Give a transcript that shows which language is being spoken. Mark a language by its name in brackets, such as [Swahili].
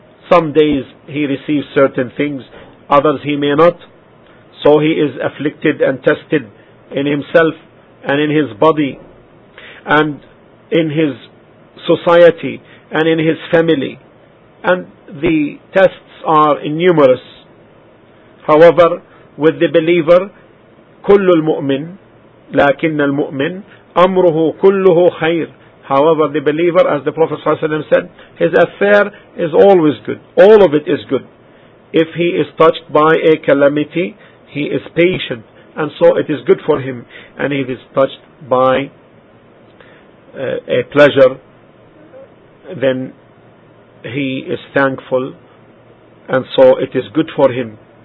[English] Some days he receives certain things, others he may not. So he is afflicted and tested in himself and in his body and in his society and in his family. And the tests are numerous. However, with the believer, [Arabic] كل المؤمن لكن المؤمن أمره كله خير. [English] However, the believer, as the Prophet ﷺ said, his affair is always good. All of it is good. If he is touched by a calamity, he is patient, and so it is good for him. And if he is touched by a pleasure, then he is thankful, and so it is good for him.